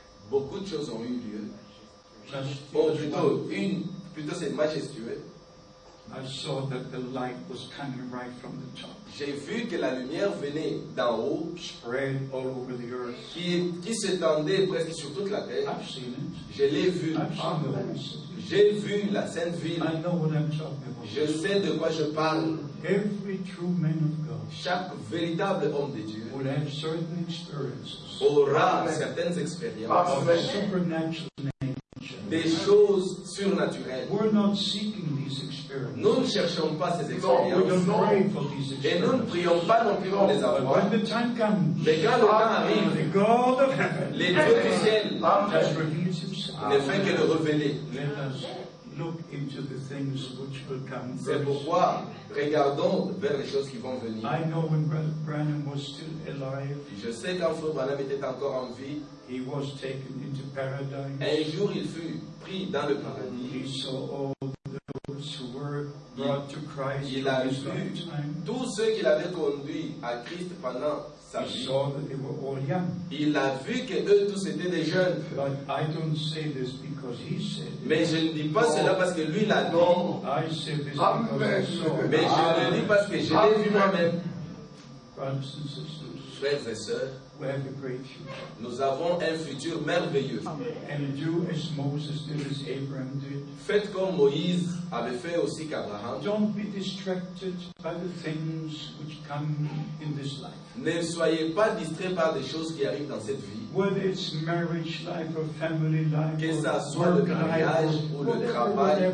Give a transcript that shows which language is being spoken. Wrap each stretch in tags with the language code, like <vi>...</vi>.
<fr>Beaucoup de choses ont eu lieu. Plutôt c'est majestueux.</fr> <en>I saw that the light was coming right from the top.</en> <fr>J'ai vu que la lumière venait d'en haut,</fr> <en>spread all over the earth.</en> <fr>Qui s'étendait presque sur toute la terre.</fr> <en>I've seen it.</en> <fr>Je l'ai vu. J'ai vu la Sainte Ville.</fr> <en>I know what I'm talking about.</en> <fr>Je sais de quoi je parle.</fr> <en>Every true man of God.</en> <fr>Chaque véritable homme de Dieu</fr> <en>will have certain experiences.</en> <fr>Aura certaines expériences.</fr> <en>Of a supernatural nature.</en> <fr>Des choses surnaturelles.</fr> <en>We're not seeking these experiences.</en> <fr>Nous ne cherchons pas ces expériences. Et nous ne prions pas non plus pour les avoir.</fr> <en>When the time comes,</en> <fr>mais quand le temps arrive,</fr> <en>the God of heaven,</en> <fr>les dieux du ciel ne font que le révéler.</fr> <en>Look into the things which will come first.</en> <fr>C'est pourquoi regardons vers les choses qui vont venir.</fr> <en>I know when Branham was still alive.</en> <fr>Je sais quand Frère Branham était encore en vie.</fr> <en>He was taken into paradise.</en> <fr>Un jour, il fut pris dans le paradis.</fr> <en>He saw all those who were brought to Christ.</en> <fr>Il a vu tous ceux qu'il avait conduits à Christ pendant sa vie.</fr> <en>He saw that they were all young.</en> <fr>Il a vu que eux tous étaient des jeunes.</fr> <en>But I don't say this because he said.</en> <fr>Mais je ne dis pas cela parce que lui l'a dit.</fr> <en>Non. I say this because he saw.</en> <fr>Mais je le dis parce que je l'ai vu moi-même.</fr> <en>Brothers and sisters.</en> <fr>Frères et sœurs.</fr> <en>We have a great future.</en> <fr>Nous avons un futur merveilleux.</fr> <en>And do as Moses did, as Abraham did.</en> <fr>Faites comme Moïse avait fait aussi qu'Abraham.</fr> <en>Don't be distracted by the things which come in this life.</en> <fr>Ne soyez pas distrait par des choses qui arrivent dans cette vie.</fr> <en>Whether it's marriage life or family life.</en> <fr>Que ça soit le mariage ou le travail.</fr>